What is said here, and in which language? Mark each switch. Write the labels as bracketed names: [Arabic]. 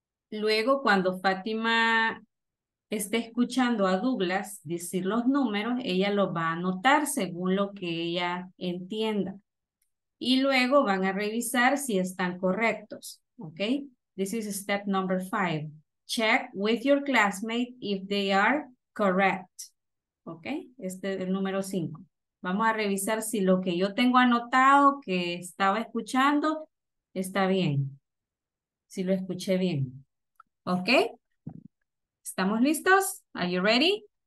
[Spanish] Luego, cuando Fátima esté escuchando a Douglas decir los números, ella los va a anotar según lo que ella entienda. Y luego van a revisar si están correctos. [English] ¿Ok? This is step number 5. Check with your classmate if they are correct. [Spanish] ¿Ok? Este es el número 5. Vamos a revisar si lo que yo tengo anotado que estaba escuchando está bien. Si lo escuché bien. ¿Ok? ¿Estamos listos? [English] Are you ready?